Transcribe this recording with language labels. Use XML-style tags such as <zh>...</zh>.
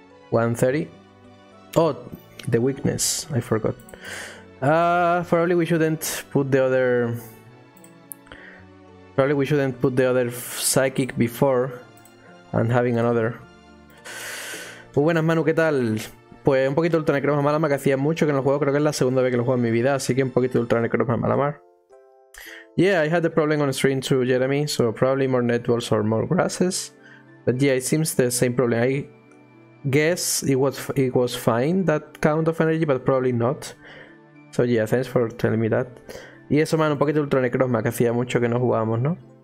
<en>130. Oh, the weakness. I forgot. Probably we shouldn't put the other... Probably we shouldn't put the other psychic before and having another.</en> <es>Muy buenas, Manu, ¿qué tal? Pues un poquito Ultra Necrozma Malamar, que hacía mucho que no lo juego, creo que es la segunda vez que lo juego en mi vida, así que un poquito Ultra Necrozma Malamar.</es> <en>Yeah, I had the problem on stream too, Jeremy, so probably more netballs or more grasses. But yeah, it seems the same problem. I guess it was fine, that count of energy, but probably not. So yeah, thanks for telling me that.</en> <es>Y eso, man, un poquito Ultra Necrozma, que hacía mucho que no jugábamos, ¿no?</es>